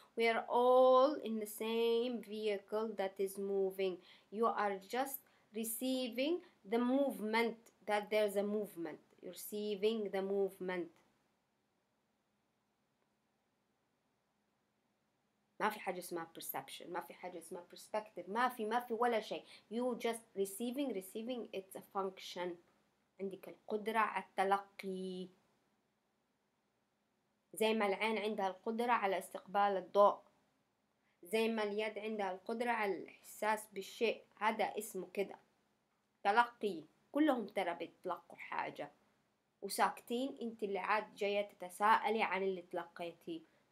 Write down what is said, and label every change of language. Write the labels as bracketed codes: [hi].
[en] We are all in the same vehicle that is moving. You are just receiving the movement that there's a movement. You're receiving the movement. [ar] ما في حاجة اسمها perception، ما في حاجة اسمها perspective، ما في ولا شيء. [en] You just receiving, receiving it's a function. [ar] عندك القدرة على التلقي، زي ما العين عندها القدرة على استقبال الضوء، زي ما اليد عندها القدرة على الإحساس بالشيء. هذا اسمه كده تلقي. كلهم ترى بيتلقوا حاجة وساكتين، انت اللي عاد جاية تتساءلي عن اللي تلقيتي.